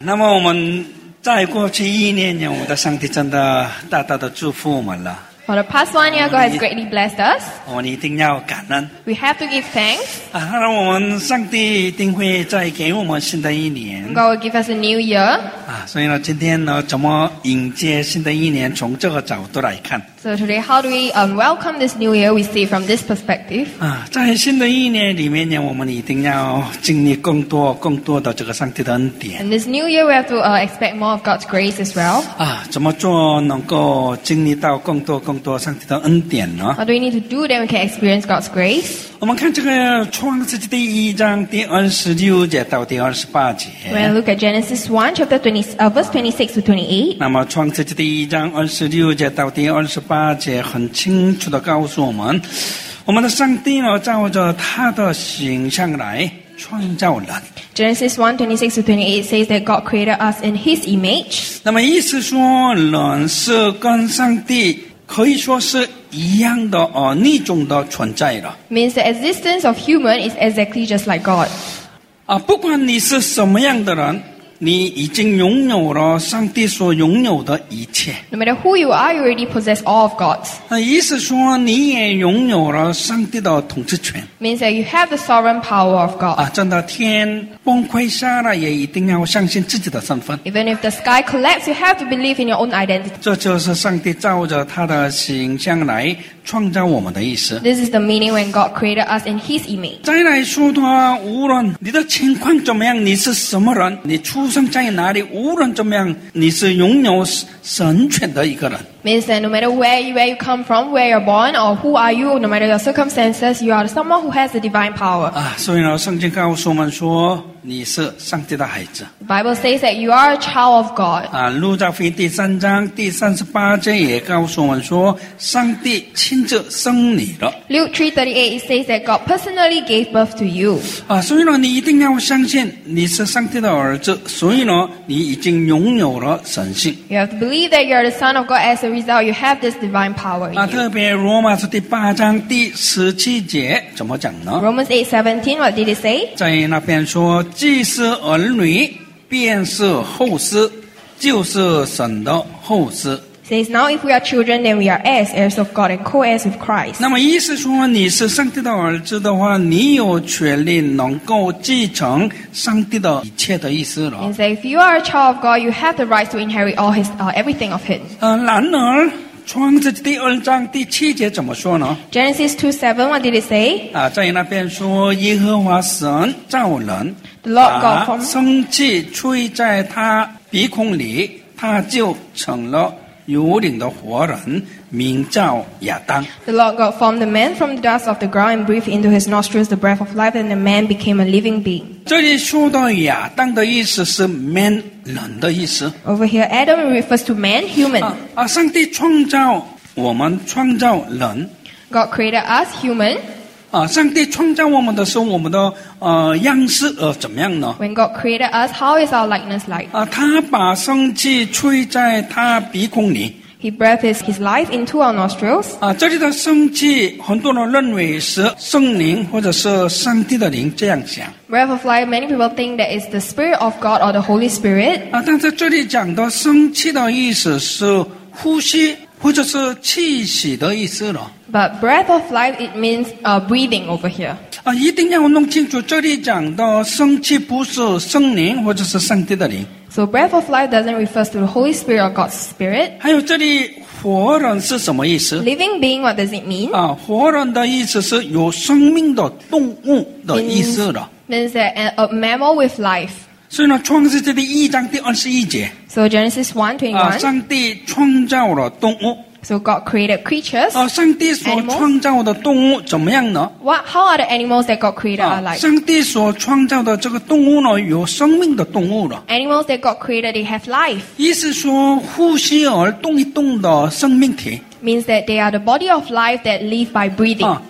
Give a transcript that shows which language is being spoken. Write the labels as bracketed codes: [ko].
[zh] 那么我们在过去一年呢，我们的上帝真的大大的祝福我们了。 [en] For the past one year, God has greatly blessed us. [zh] 我们一定要感恩。 [en] We have to give thanks. [zh] 那我们上帝一定会再给我们新的一年。 [en] God will give us a new year. [zh] 所以呢，今天呢，怎么迎接新的一年？从这个角度来看。 [en] So today, how do we welcome this new year? We see from this perspective. [zh] 在新的一年里面呢，我们一定要经历更多、更多的这个上帝的恩典。 [en] And this new year, we have to expect more of God's grace as well. [zh] 怎么做能够经历到更多、更多上帝的恩典呢？ [en] What do we need to do then we can experience God's grace? [zh] 我们看这个创世纪第一章第二十六节到第二十八节。 [en] We look at Genesis 1, chapter 20, verse 26 to 28. [zh] 那么创世纪第一章二十六节到第二十八节很清楚地告诉我们，我们的上帝呢，照着他的形象来创造人。 [en] Genesis 1:26-28 says that God created us in His image. [zh] 那么意思说，人是跟上帝可以说是一样的逆种的存在了。 [en] Means the existence of human is exactly just like God. [zh] 不管你是什么样的人。你已经拥有了上帝所拥有的一切。 [en] No matter who you are, you already possess all of God. [zh] 那意思说，你也拥有了上帝的统治权。 [en] Means that you have the sovereign power of God. [zh] 真的天崩溃下来，也一定要相信自己的身份。 [en] Even if the sky collapses, you have to believe in your own identity. [zh] 这就是上帝照着他的形象来创造我们的意思。 [en] This is the meaning when God created us in His image. [zh] 再来说的话，无论你的情况怎么样，你是什么人，你出生在哪里，无论怎么样，你是拥有神权的一个人。 [en] Means that no matter where you come from, where you're born, or who are you, no matter your circumstances, you are someone who has the divine power. [zh] 所以呢，圣经告诉我们说，你是上帝的孩子。 [en] Bible says that you are a child of God. [zh] 路加福音第三章第三十八节也告诉我们说，上帝亲自生你了。 [en] Luke 3:38 it says that God personally gave birth to you. [zh] 所以呢，你一定要相信你是上帝的儿子，所以呢，你已经拥有了神性。 [en] You have to believe that you are the son of God as a result you have this divine power. [zh] 特别罗马书第八章第十七节怎么讲呢？ [en] Romans 8:17 what did it say? [zh] 在那边说。既是儿女便是后嗣就是神的后嗣。 [en] Says now if we are children then we are heirs of God and co-heirs with Christ. [zh] 那么意思说你是上帝的儿子的话你有权利能够继承上帝的一切的意思了。 [en] And say if you are a child of God you have the right to inherit all his, everything of him. [zh] 然而创世纪第二章第七节怎么说呢 [en] ？Genesis 2:7, what did it say？ [zh] 在那边说耶和华神造人， [en] The Lord God formed [zh] 把生气吹在他鼻孔里，他就成了有灵的活人，名叫亚当。 [en] The Lord God formed the man from the dust of the ground and breathed into his nostrils the breath of life, and the man became a living being. [zh] 这里说到亚当的意思是 man。人的意思。 [en] Over here, Adam refers to man, human. [zh] 上帝创造我们，创造人。 [en] God created us, human. [zh] 上帝创造我们的时候，我们的样式怎么样呢 [en] ？When God created us, how is our likeness like? [zh] 他把生气吹在他鼻孔里。 [en] He breathes his life into our nostrils. [zh] 这里的生气，很多人认为是圣灵或者是上帝的灵这样想。 [en] Breath of life, many people think that it's the Spirit of God or the Holy Spirit. [zh] 但是这里讲的生气的意思是呼吸或者是气息的意思了。 [en] But breath of life, it means breathing over here. [zh] 一定要弄清楚这里讲的生气不是圣灵或者是上帝的灵。 [en] So breath of life doesn't refer to the Holy Spirit or God's Spirit. [zh] 还有这里活人是什么意思 [en] ？Living being, what does it mean? [zh] 活人的意思是有生命的动物的意思了。 [en] Means that a mammal with life. [zh] 所以呢，创世纪第一章第二十一节。 [en] So Genesis 1:21. [zh] 上帝创造了动物。 [en] So God created creatures. [zh] 上帝所创造的动物怎么样呢 [en] ？What? How are the animals that God created are like? [zh] 上帝所创造的这个动物呢，有生命的动物了。 [en] Animals that God created, they have life. [zh] 意思说，呼吸而动一动的生命体。 [en] Means that they are the body of life that live by breathing.